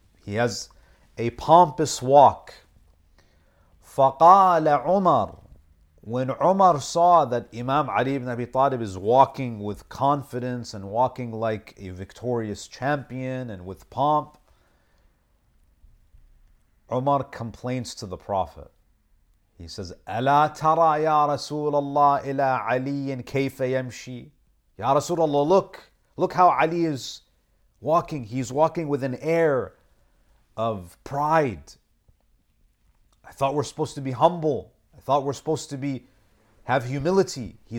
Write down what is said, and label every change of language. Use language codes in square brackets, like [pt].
[en] He has a pompous walk. [ar] فَقَالَ عُمَرُ. [en] When Umar saw that Imam Ali ibn Abi Talib is walking with confidence and walking like a victorious champion and with pomp, Umar complains to the Prophet. He says, [ar] أَلَا تَرَى يَا رَسُولَ اللَّهِ إِلَىٰ عَلِيٍ كَيْفَ يَمْشِي. [en] Ya Rasulullah, look how Ali is walking. He's walking with an air of pride. I thought we're supposed to be humble. I thought we're supposed to have humility.